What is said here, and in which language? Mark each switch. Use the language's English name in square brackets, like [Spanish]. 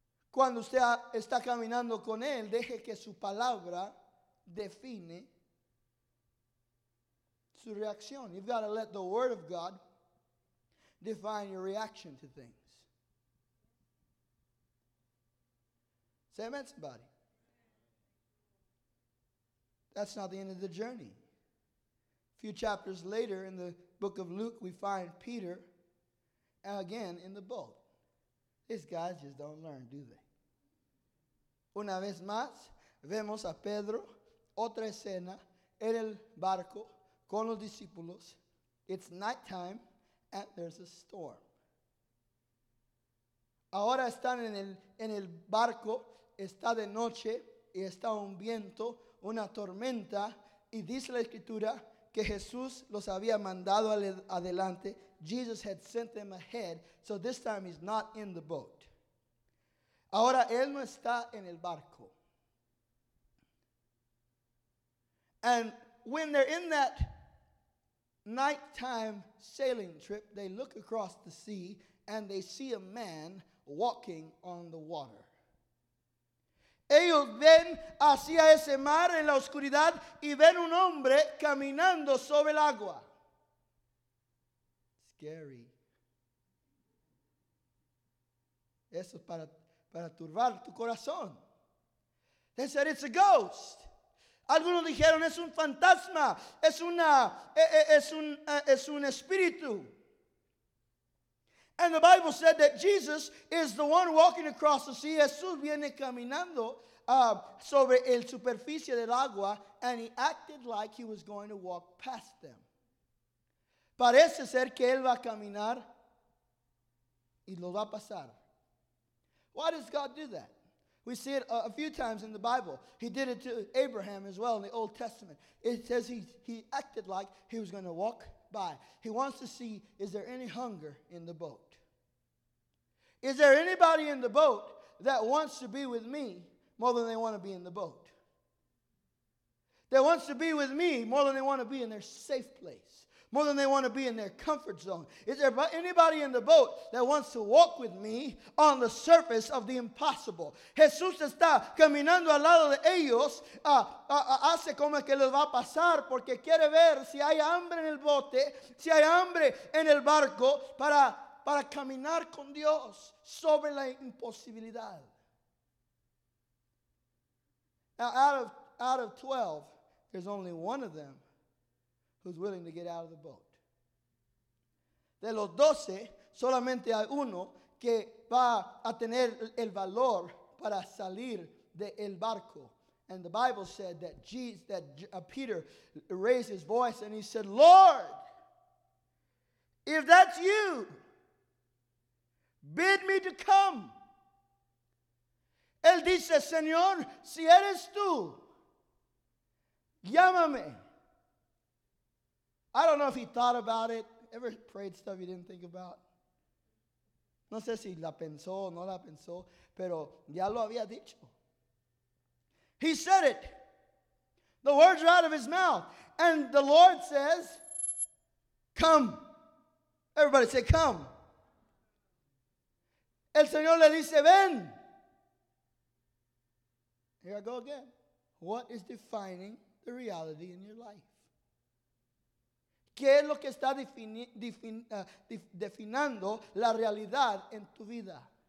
[Spanish] Cuando usted está caminando con Él, deje que su palabra define su reacción. [English] You've got to let the Word of God define your reaction to things. Say amen, somebody. That's not the end of the journey. A few chapters later in the book of Luke, we find Peter again in the boat. These guys just don't learn, do they? [Spanish] Una vez más, vemos a Pedro, otra escena, en el barco, con los discípulos. [English] It's nighttime, and there's a storm. [Spanish] Ahora están en el barco, está de noche, y está un viento, una tormenta, y dice la escritura que Jesús los había mandado adelante. [English] Jesus had sent them ahead, so this time he's not in the boat. [Spanish] Ahora él no está en el barco. [English] And when they're in that nighttime sailing trip, they look across the sea and they see a man walking on the water. [Spanish] Ellos ven hacia ese mar en la oscuridad y ven un hombre caminando sobre el agua. [English] Scary. [Spanish] Eso es para turbar tu corazón. [English] They said, it's a ghost. [Spanish] Algunos dijeron, es un fantasma. Es un espíritu. [English] And the Bible said that Jesus is the one walking across the sea. [Spanish] Jesús viene caminando sobre el superficie del agua, [English] and he acted like he was going to walk past them. [Spanish] Parece ser que él va a caminar y lo va a pasar. [English] Why does God do that? We see it a few times in the Bible. He did it to Abraham as well in the Old Testament. It says he acted like he was going to walk by. He wants to see, is there any hunger in the boat? Is there anybody in the boat that wants to be with me more than they want to be in the boat? That wants to be with me more than they want to be in their safe place, more than they want to be in their comfort zone? Is there anybody in the boat that wants to walk with me on the surface of the impossible? [Spanish] Jesús está caminando al lado de ellos, hace como que les va a pasar, porque quiere ver si hay hambre en el bote, si hay hambre en el barco, para caminar con Dios sobre la imposibilidad. [English] Now, out of 12, there's only one of them who's willing to get out of the boat. [Spanish] De los 12, solamente hay uno que va a tener el valor para salir del barco. [English] And the Bible said that Peter raised his voice and he said, Lord, if that's you, bid me to come. [Spanish] Él dice, Señor, si eres tú, llámame. [English] I don't know if he thought about it. Ever prayed stuff you didn't think about? [Spanish] No sé si la pensó o no la pensó, pero ya lo había dicho. [English] He said it. The words are out of his mouth. And the Lord says, come. Everybody say, come. [Spanish] El Señor le dice, ven. [English] Here I go again. What is defining the reality in your life? [Spanish] ¿Qué es lo que está definiendo la realidad en tu vida?